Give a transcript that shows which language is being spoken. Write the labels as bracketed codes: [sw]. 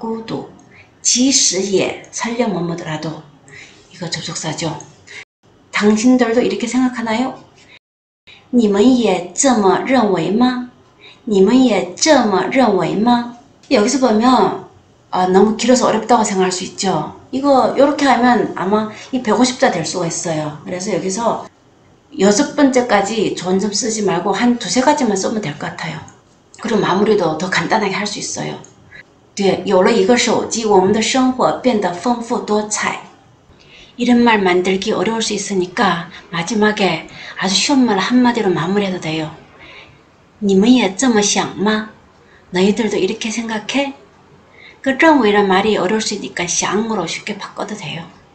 [zh] 即使是一个人也不会感到孤独。即使是一个人也不会感到孤独。即使也 [ko] 설령 뭐뭐더라도 이거 접속사죠. 당신들도 이렇게 생각하나요? [zh] 你们也这么认为吗?你们也这么认为吗? [ko] 여기서 보면 너무 길어서 어렵다고 생각할 수 있죠. 이거 이렇게 하면 아마 이 150자 될 수가 있어요. 그래서 여기서 여섯 번째까지 좋은 점 쓰지 말고 한 두세 가지만 쓰면 될 것 같아요. 그리고 마무리도 더 간단하게 할 수 있어요. [zh] 뒤에 有了一个手机,我们的生活变得丰富多彩。 [ko] 이런 말 만들기 어려울 수 있으니까 마지막에 아주 쉬운 말 한마디로 마무리해도 돼요. [zh] 你们也这么想吗? [ko] 너희들도 이렇게 생각해? 그 认为란 말이 어려울 수 있으니까 想으로 쉽게 바꿔도 돼요.